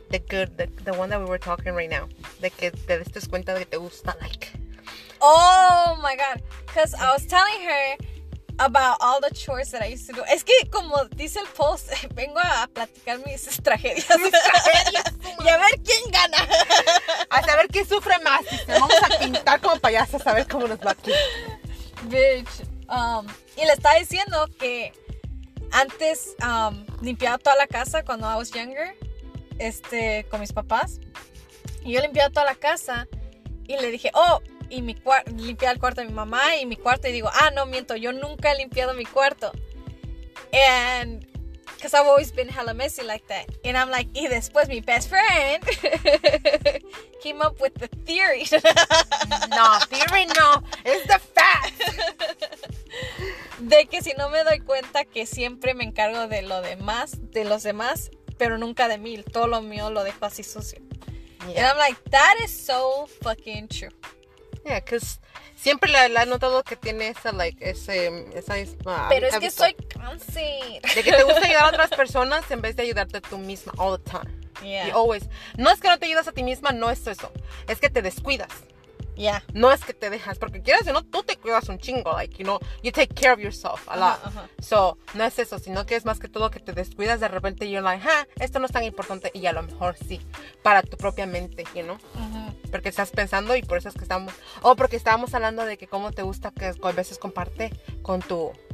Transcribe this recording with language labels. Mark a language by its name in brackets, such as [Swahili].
[English] The good, the one that we were talking right now. [Spanish] De que te diste cuenta de que te gusta, like. [English] Oh my God, because I was telling her about all the chores that I used to do. [Spanish] Es que, como dice el post, vengo a platicar mis tragedias. Y a ver quién gana. A saber quién sufre más. Vamos a pintar como payasos a ver cómo nos va aquí. [English] Bitch. [Spanish] Y le estaba diciendo que antes limpiaba toda la casa cuando [English] I was younger, [Spanish] con mis papás. Y yo limpiaba toda la casa y le dije, oh, y mi limpié el cuarto de mi mamá y mi cuarto, y digo, ah, no, miento, yo nunca he limpiado mi cuarto. [English] And, because I've always been hella messy like that. And I'm like, [Spanish] y después mi [English] best friend came up with the theory. No, theory no, it's the fact. [Spanish] De que si no me doy cuenta que siempre me encargo de lo demás, de los demás, pero nunca de mí, todo lo mío lo dejo así sucio. [English] Yeah. And I'm like, that is so fucking true. Yeah, because [Spanish] siempre le he notado que tiene esa, like, esa misma. Pero es que soy cáncer. De que te gusta ayudar a otras personas en vez de ayudarte tú misma [English] all the time. Yeah. Y always. [Spanish] No es que no te ayudas a ti misma, no es eso. Es que te descuidas. Yeah. No es que te dejas. Porque quieras o no, tú te cuidas un chingo. [English] Like, you know, you take care of yourself a lot. Uh-huh, uh-huh. [Spanish] So, no es eso, sino que es más que todo que te descuidas. De repente, [English] you're like, huh, [Spanish] esto no es tan importante. Y a lo mejor sí, para tu propia mente, [English] you know. [Spanish] Uh-huh. Porque estás pensando y por eso es que estamos. O porque estábamos hablando de que cómo te gusta que a veces comparte con tu.